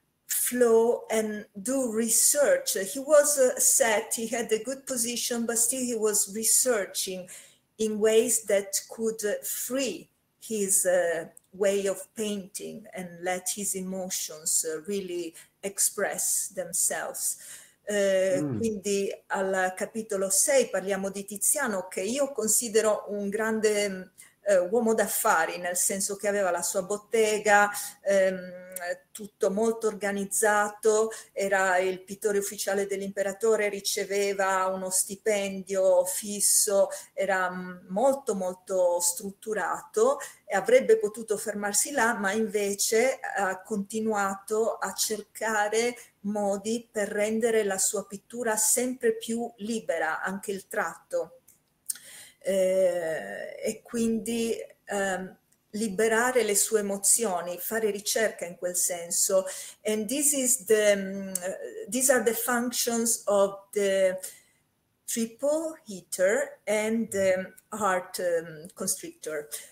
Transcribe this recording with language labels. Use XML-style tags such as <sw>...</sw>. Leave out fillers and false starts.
<en>flow and do research. He was set, he had a good position, but still he was researching in ways that could free his way of painting and let his emotions really express themselves.</en> <it>Quindi al capitolo 6 parliamo di Tiziano, che io considero un grande uomo d'affari, nel senso che aveva la sua bottega, tutto molto organizzato, era il pittore ufficiale dell'imperatore, riceveva uno stipendio fisso, era molto molto strutturato e avrebbe potuto fermarsi là, ma invece ha continuato a cercare modi per rendere la sua pittura sempre più libera, anche il tratto. E quindi liberare le sue emozioni, fare ricerca in quel senso.</it> <en>And this is the these are the functions of the triple heater and the heart constrictor.</en>